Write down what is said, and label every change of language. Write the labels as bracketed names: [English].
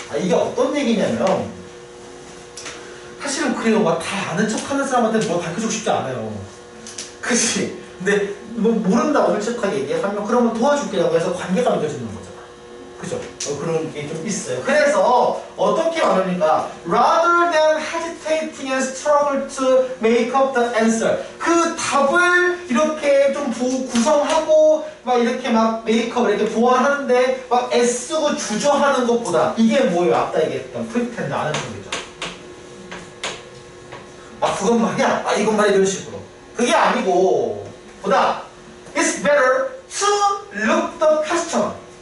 [Korean] 아, 이게 어떤 얘기냐면 사실은 그래요. 막 다 아는 척하는 사람한테 뭐 가르쳐주고 싶지 않아요. 그치? 근데 뭐 모른다고 솔직하게 얘기하면 그러면 도와줄게라고 해서 관계가 맺어지는 거죠. 그죠? 그런 게 좀 있어요. 그래서 어떻게 말합니까? [English] Rather than hesitating and struggle to make up the answer. [Korean] 그 답을 이렇게 좀 구성하고 막 이렇게 막 메이크업 이렇게 보완하는데 막 애쓰고 주저하는 것보다 이게 뭐예요? 아까 얘기했던 프리텐드 아는 쪽이죠. 아 그건 말이야. 아 이건 말이야. 이런 식으로. 그게 아니고 보다 [English] It's better to look the question.